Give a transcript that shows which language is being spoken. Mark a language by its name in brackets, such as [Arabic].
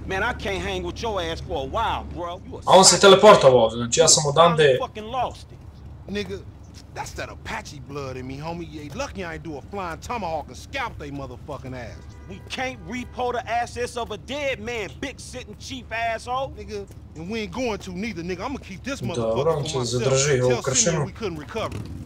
[English] Man, I can't hang with your ass for a while, bro. [Serbian] A on se teleportovao ovde, znači ja sam odande... [English] Nigga, that's that Apache blood in me, homie. You lucky I ain't do a flying tomahawk and scalp they motherfucking ass. We can't repo the assets of a dead man, big sitting chief asshole. Nigga, and we ain't going to neither, nigga. I'ma keep this motherfucker for myself. [Serbian] Zadrži, [English] tell Simeon we couldn't recover.